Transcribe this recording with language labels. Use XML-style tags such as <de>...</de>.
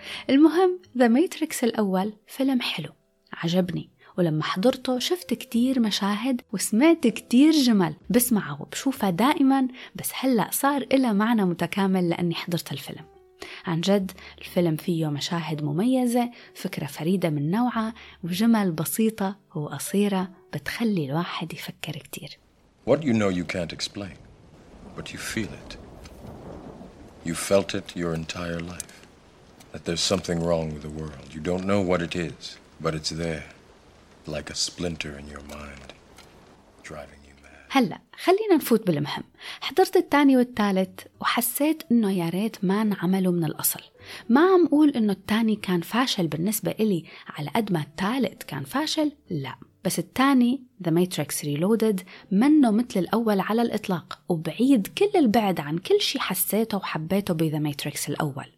<ar>المهم The Matrix الأول فيلم حلو عجبني، ولما حضرته شفت كتير مشاهد وسمعت كتير جمل بسمعها وبشوفها دائما، بس هلأ صار إلى معنى متكامل لأني حضرت الفيلم. عن جد الفيلم فيه مشاهد مميزة، فكرة فريدة من نوعها وجمل بسيطة وقصيرة بتخلي الواحد يفكر كتير.</ar> <en>What you know you can't explain, but you feel it. You felt it your entire life. That there's something wrong with the world. You don't know what it is, but it's there. Like a splinter in your mind, driving you mad.</en> <ar>هلا خلينا نفوت بالمهم. حضرت الثاني والثالث وحسيت انه يا ريت ما انعملوا من الاصل. ما عم اقول انه الثاني كان فاشل بالنسبه الي على قد ما الثالث كان فاشل، لا، بس الثاني The Matrix Reloaded منه مثل الاول على الاطلاق وبعيد كل البعد عن كل شيء حسيته وحبيته ب The Matrix الاول.</ar>